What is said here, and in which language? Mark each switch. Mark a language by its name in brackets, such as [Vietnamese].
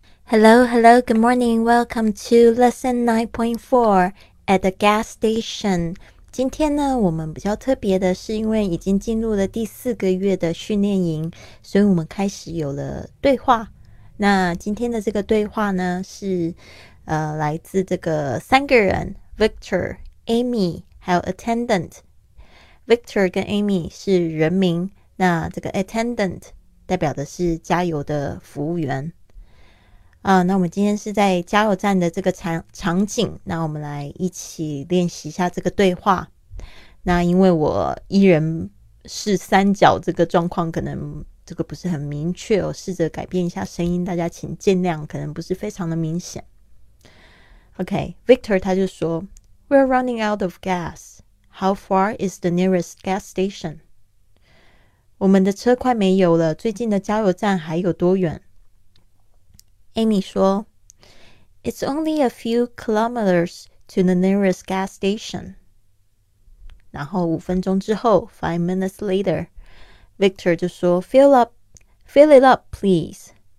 [English] Hello, hello, good morning. Welcome to Lesson 9.4 at the gas station. [Chinese] 今天呢，我们比较特别的是因为已经进入了第四个月的训练营，所以我们开始有了对话。那今天的这个对话呢，是来自这个三个人 Victor、Amy 还有 Attendant。 Victor 跟 Amy 是人名，那这个 Attendant 代表的是加油的服务员。那我们今天是在加油站的这个场景，那我们来一起练习一下这个对话。那因为我一人是三角这个状况，可能这个不是很明确，我试着改变一下声音，大家请见谅，可能不是非常的明显。 [English] OK,Victor [Chinese] 他就说 [English] We're running out of gas. How far is the nearest gas station? [Chinese] 我们的车快没油了，最近的加油站还有多远？ [English] Amy [Chinese] 说 [English] It's only a few kilometers to the nearest gas station. [Chinese] 然后五分钟之后 [English] 5 minutes later, Victor [Chinese] 就说 [English] Fill it up, please.